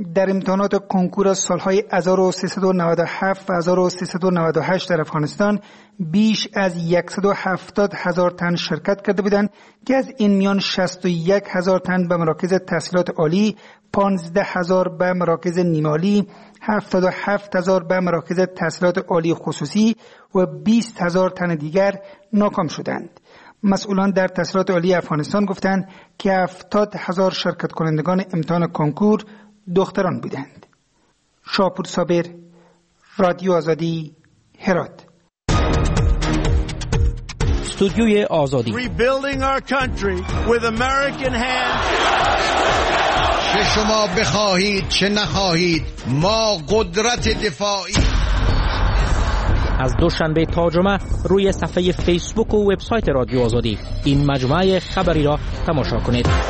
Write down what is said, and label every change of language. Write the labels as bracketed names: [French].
[Persian] در امتحانات کانکور سالهای 1397 و 1398 در افغانستان بیش از 170,000 تن شرکت کرده بودند که از این میان 61,000 تن به مراکز تحصیلات عالی، 15,000 به مراکز نیمالی، 77,000 به مراکز تحصیلات عالی خصوصی و 20,000 تن دیگر ناکام شدند. مسئولان در تحصیلات عالی افغانستان گفتند که 70,000 شرکت کنندگان امتحان کنکور دختران بودند. شاپور صابر، رادیو آزادی، هرات. استودیوی آزادی. [English] Rebuilding our country with American hands. [Persian] چه شما بخواهید چه نخواهید، ما قدرت دفاعی. از دوشنبه تا جمعه روی صفحه فیسبوک و وبسایت رادیو آزادی این مجموعه خبری را تماشا کنید.